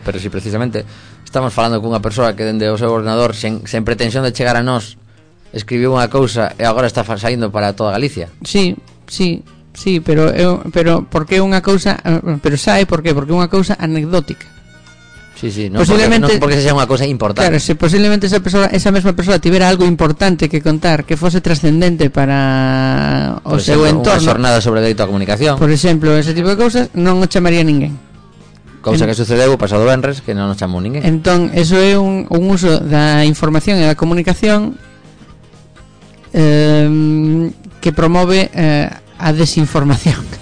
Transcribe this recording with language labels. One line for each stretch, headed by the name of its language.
Galician: pero si precisamente estamos falando cunha persoa que dende o seu ordenador, sen pretensión de chegar a nós, escribiu unha cousa e agora está saindo para toda Galicia. Sí, pero porque unha cousa, pero sae porque unha cousa anecdótica.
Spanish: Sí, sí, no, posiblemente, porque, no porque sea una cosa importante. Claro, si posiblemente esa misma persona tuviera algo importante que contar, que fuese trascendente para o su entorno. Una jornada sobre delito a comunicación. Por ejemplo, ese tipo de cosas,
Galician: no nos chamaría a ninguén. Cosa que sucedeu o pasado venres, que non nos chamou ninguén. Entón, eso é un uso da información e da comunicación que promove a desinformación.